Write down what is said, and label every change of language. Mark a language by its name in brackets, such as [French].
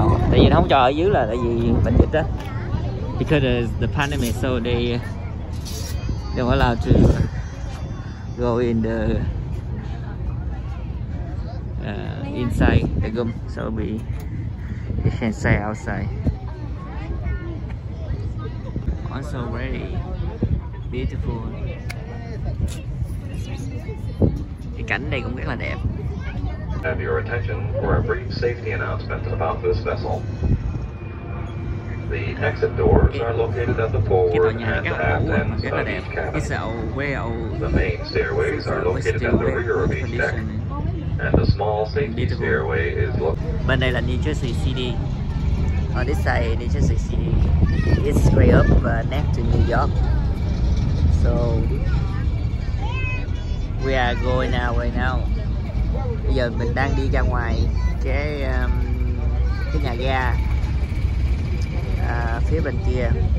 [Vietnamese] Tại vì nó không cho ở dưới là tại vì bệnh dịch đó. [English] Because the pandemic, so they were allowed to go in the inside the room, so we can stay outside. Also very beautiful. [Vietnamese] Cái cảnh đây cũng rất là đẹp. [English] Have your attention for a brief safety announcement about this vessel. The exit doors are located at the forward and aft end of each cabin. It's the main stairways are located at the rear of each deck, and the small safety stairway is located. [Vietnamese] Bên đây là New Jersey City. [English] On this side, [Vietnamese] New Jersey City. [English] It's straight up next to New York. So we are going out right now. [Vietnamese] Bây giờ mình đang đi ra ngoài cái nhà ga phía bên kia.